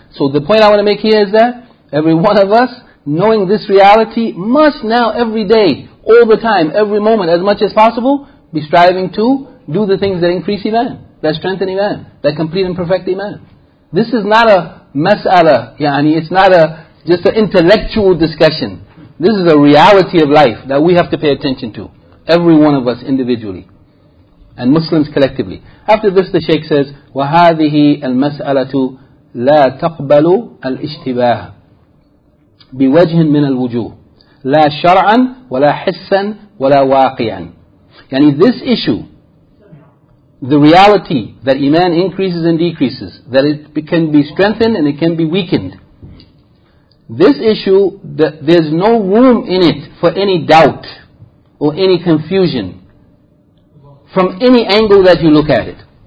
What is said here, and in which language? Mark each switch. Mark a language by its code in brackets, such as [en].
[en] So the point I want to make here is that, every one of us, knowing this reality, must now every day, all the time, every moment, as much as possible, be striving to do the things that increase iman, that strengthen iman, that complete and perfect iman. This is not a mas'ala, it's not just an intellectual discussion. This is a reality of life that we have to pay attention to. Every one of us individually. And Muslims collectively. After this, the Shaykh says, [ar] وَهَذِهِ الْمَسْأَلَةُ لَا تَقْبَلُ الْإِشْتِبَاهَ بِوَجْهٍ مِنَ الْوُجُوهِ لَا شَرْعًا وَلَا حِسًّا وَلَا وَاقِعًا. [en] This issue, the reality that iman increases and decreases, that it can be strengthened and it can be weakened, this issue, there's no room in it for any doubt or any confusion from any angle that you look at it.